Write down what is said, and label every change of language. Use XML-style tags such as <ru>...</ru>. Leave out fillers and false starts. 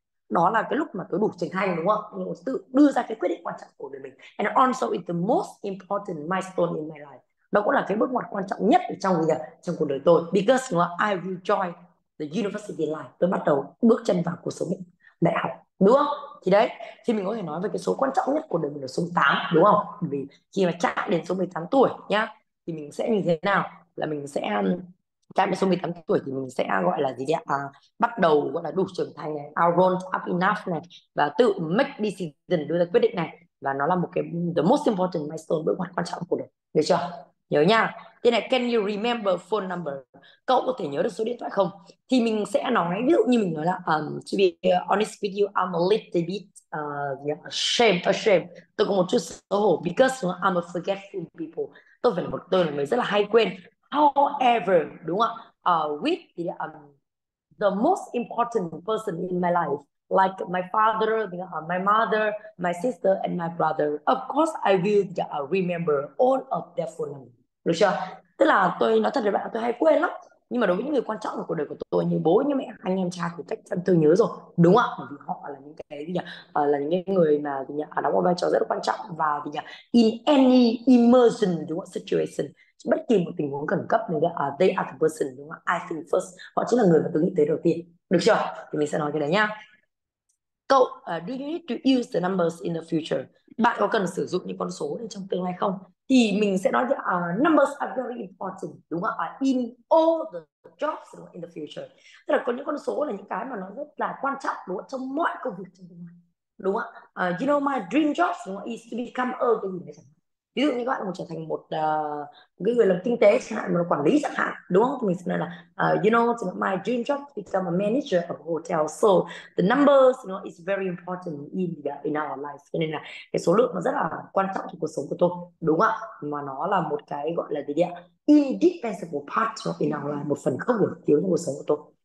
<vi>Đó là cái lúc mà tôi đủ trưởng thành đúng không, nhưng tự đưa ra cái quyết định quan trọng của đời mình.</vi> <en>And also it's the most important milestone in my life.</en> <vi>Đó cũng là cái bước ngoặt quan trọng nhất trong cuộc đời tôi, because đúng không?</vi> <en>I will join the university life.</en> <vi>Tôi bắt đầu bước chân vào cuộc sống đại học đúng không. Thì đấy, thì mình có thể nói về cái số quan trọng nhất của đời mình là số 8 đúng không, vì khi mà chạm đến số 18 tuổi nhá, thì mình sẽ như thế nào, là mình sẽ chạm đến số 18 tuổi thì mình sẽ gọi là gì đấy, bắt đầu gọi là đủ trưởng thành này,</vi> <en>grown up enough</en> <vi>này, và tự</vi> <en>make decision,</en> <vi>đưa ra quyết định này, và nó là một cái</vi> <en>the most important milestone,</en> <vi>bước ngoặt quan trọng của đời, được chưa, nhớ nha. Thế này,</vi> <en>can you remember phone number,</en> <vi>cậu có thể nhớ được số điện thoại không. Thì mình sẽ nói ví dụ như mình nói là</vi> <en>to be honest with you, I'm a little bit ashamed,</en> <vi>tôi có một chút xấu hổ,</vi> <en>because I'm a forgetful people,</en> <vi>tôi là người rất là hay quên.</vi> <en>However,</en> <vi>đúng không?</vi> <en>With the most important person in my life, like my father, my mother, my sister and my brother. Of course, I will remember all of their phone number.</en> <vi>Được chưa? Tức là tôi nói thật với bạn, tôi hay quên lắm. Nhưng mà đối với những người quan trọng của cuộc đời của tôi như bố, như mẹ, anh em, cha thì chắc chắn tôi nhớ rồi, đúng không? Bởi vì họ là những cái gì nhỉ? Là những người mà gì nhỉ? Đóng một vai trò rất quan trọng, và gì nhỉ?</vi> <en>In any emergency</en> <vi>đúng không?</vi> <en>Situation,</en> <vi>bất kỳ một tình huống khẩn cấp này đó,</vi> <en>they are the person</en> <vi>đúng không?</vi> <en>I think first,</en> <vi>họ chính là người mà tôi nghĩ tới đầu tiên, được chưa? Thì mình sẽ nói cái đấy nhá.</vi> <en>Cậu, do you need to use the numbers in the future?</en> <vi>Bạn có cần sử dụng những con số này trong tương lai không? Thì mình sẽ nói</vi> <en>numbers are very important,</en> <vi>đúng không?</vi> <en>In all the jobs in the future.</en> <vi>Tức là có những con số là những cái mà nó rất là quan trọng, đúng không? Trong mọi công việc trong tương lai, đúng không?</vi> <en>You know my dream job,</en> <vi>đúng không?</vi> <en>Is to become a</en> <vi>cái gì đấy. Ví dụ như các bạn muốn trở thành một người làm kinh tế chẳng hạn, một quản lý chẳng hạn, đúng không? Mình sẽ nói là</vi> <en>my dream job to become a manager of hotel. So the numbers is very important in our life.</en> <vi>Cho nên là cái số lượng nó rất là quan trọng trong cuộc sống của tôi, đúng không? Mà nó là một cái gọi là gì đấy,</vi> <en>indispensable part of in our life,</en> <vi>một phần không thể thiếu trong cuộc sống của tôi.</vi>